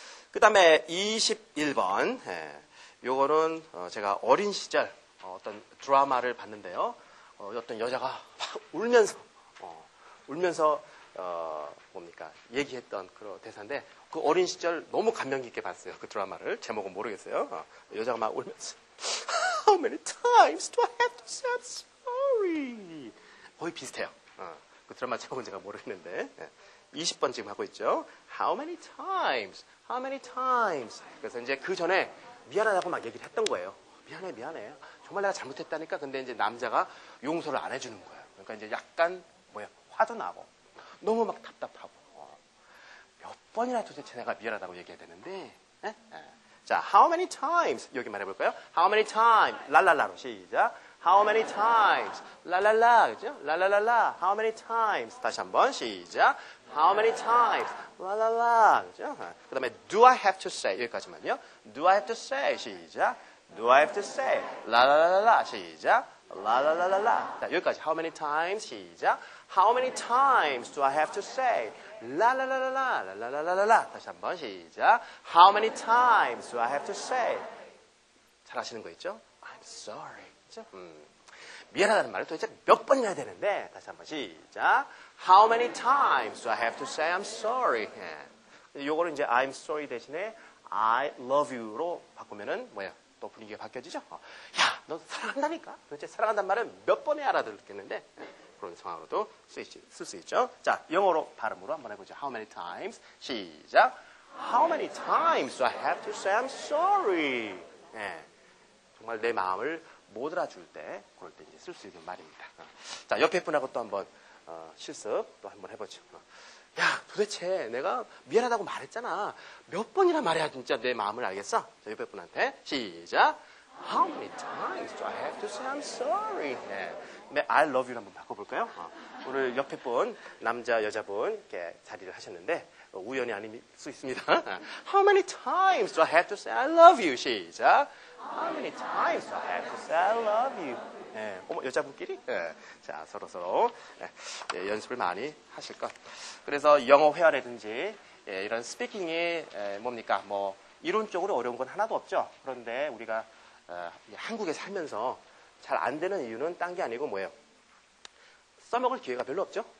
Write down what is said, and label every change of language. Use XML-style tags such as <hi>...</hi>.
<ko>그 다음에 21번 요거는 제가 어린 시절 어떤 드라마를 봤는데요. 어떤 여자가 막 울면서 뭡니까? 얘기했던 그 대사인데 그 어린 시절 너무 감명 깊게 봤어요. 그 드라마를. 제목은 모르겠어요. 여자가 막 울면서</ko> <en>How many times do I have to say I'm sorry?</en> <ko>거의 비슷해요. 그 드라마 제목은 제가 모르겠는데 20번 지금 하고 있죠.</ko> <en>How many times? How many times?</en> <ko>그래서 이제 그 전에 미안하다고 막 얘기를 했던 거예요. 미안해, 미안해. 정말 내가 잘못했다니까. 근데 이제 남자가 용서를 안 해주는 거예요. 그러니까 이제 약간 화도 나고 너무 막 답답하고 번이나 도대체 내가 미안하다고 얘기해야 되는데.</ko> <en>자, how many times?</en> <ko>여기 말해볼까요?</ko> <en>How many times?</en> <ko>랄랄라로 시작.</ko> <en>How many times?</en> <ko>랄랄라, 그죠? 랄랄랄라.</ko> <en>How many times?</en> <ko>다시 한번 시작.</ko> <en>How many times?</en> <ko>랄랄라, 그죠? 그 다음에</ko> <en>do I have to say?</en> <ko>여기까지만요.</ko> <en>Do I have to say?</en> <ko>시작.</ko> <en>Do I have to say?</en> <ko>랄랄랄라, 시작. 랄랄랄랄라. 자, 여기까지.</ko> <en>How many times?</en> <ko>시작.</ko> <en>How many times do I have to say?</en> <ko>랄랄랄랄라, 랄랄랄랄라. 다시 한번 시작.</ko> <en>How many times do I have to say?</en> <ko>잘 아시는 거 있죠?</ko> <en>I'm sorry.</en> <ko>미안하다는 말을 도대체 몇 번이나 해야 되는데 다시 한번 시작.</ko> <en>How many times do I have to say I'm sorry?</en> <ko>요거를 이제</ko> <en>I'm sorry</en> <ko>대신에</ko> <en>I love you</en> <ko>로 바꾸면은 뭐야? 또 분위기가 바뀌어지죠. 야, 너 사랑한다니까. 도대체 사랑한다는 말은 몇 번에 알아들겠는데 그런 상황으로도 쓸 수 있죠. 자, 영어로 발음으로 한번 해보죠.</ko> <en>How many times?</en> <ko>시작.</ko> <en>How many times do I have to say I'm sorry?</en> <ko>예, 정말 내 마음을 못 알아줄 때, 그럴 때 이제 쓸 수 있는 말입니다. 자, 옆에 분하고 또 한번 실습 또 한번 해보죠. 야, 도대체 내가 미안하다고 말했잖아. 몇 번이나 말해야 진짜 내 마음을 알겠어? 자, 옆에 분한테 시작.</ko> <en>How many times do I have to say I'm sorry?</en> <ko>네. 네,</ko> <en>I love you</en> <ko>한번 바꿔볼까요? 오늘 옆에 분 남자 여자분 이렇게 자리를 하셨는데 우연이 아닐 수 있습니다.</ko> <en>How many times do I have to say I love you?</en> <ko>시작.</ko> <en>How many times do I have to say I love you?</en> <ko>네. 어머, 여자분끼리? 네. 자, 서로서로 네. 네, 연습을 많이 하실 것. 그래서 영어 회화라든지 예, 이런 스피킹이 예, 뭡니까? 뭐 이론적으로 어려운 건 하나도 없죠. 그런데 우리가 한국에 살면서 잘 안 되는 이유는 딴 게 아니고 뭐예요? 써먹을 기회가 별로 없죠.</ko>